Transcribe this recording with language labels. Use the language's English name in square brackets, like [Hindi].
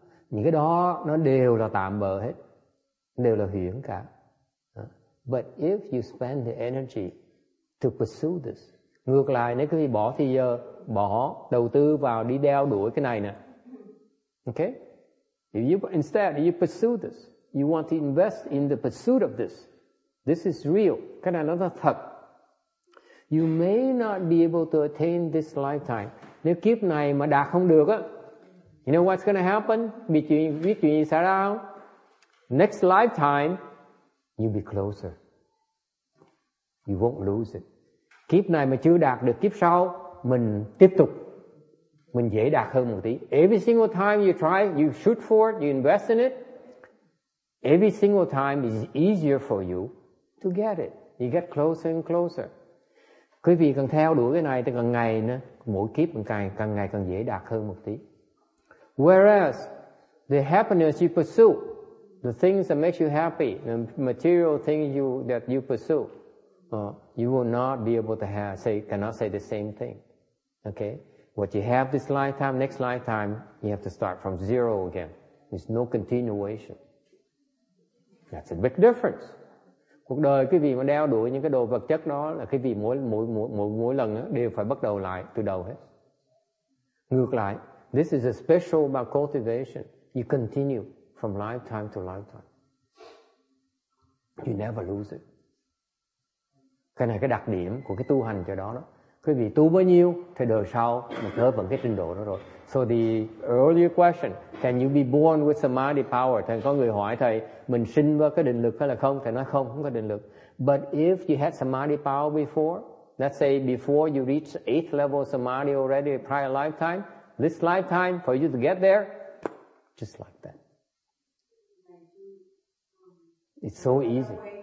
[Vietnamese] Những cái đó nó đều là tạm bợ hết, đều là huyễn cả. [English] But if you spend the energy to pursue this, [Vietnamese] ngược lại nếu quý vị bỏ thì giờ, bỏ đầu tư vào đi đeo đuổi cái này nè, okay? [English] If you pursue this, you want to invest in the pursuit of this. This is real. [Vietnamese] Cái này nó là thật. [English] You may not be able to attain this lifetime. [Vietnamese] Nếu kiếp này mà đạt không được á, [English] you know what's going to happen? [Vietnamese] Biết chuyện gì xảy ra không? [English] Next lifetime, you'll be closer. You won't lose it. [Vietnamese] Kiếp này mà chưa đạt được, kiếp sau mình tiếp tục, mình dễ đạt hơn một tí. [English] Every single time you try, you shoot for it, you invest in it, every single time is easier for you to get it. You get closer and closer. [Vietnamese] Quý vị cần theo đuổi cái này thì càng ngày nữa, mỗi kiếp mình càng ngày càng dễ đạt hơn một tí. [English] Whereas the happiness you pursue, the things that make you happy, the material things that you pursue, you will not be able to cannot say the same thing. Okay? What you have this lifetime, next lifetime, you have to start from zero again. There's no continuation. That's a big difference. [Vietnamese] Cuộc đời cái vị mà đeo đuổi những cái đồ vật chất đó là cái vị mỗi lần đều phải bắt đầu lại từ đầu hết. Ngược lại, [English] this is a special about cultivation. You continue from lifetime to lifetime. You never lose it. [Vietnamese] Cái này cái đặc điểm của cái tu hành cho đó đó. Quý vị tu bao nhiêu thì đời sau mình tới vẫn cái trình độ đó rồi. [English] So the earlier question, can you be born with samadhi power? [Vietnamese] Thầy có người hỏi thầy, mình sinh với cái định lực hay là không? Thầy nói không, không có định lực. [English] But if you had samadhi power before, let's say before you reach 8th level samadhi already prior lifetime, this lifetime for you to get there, just like that. It's so easy.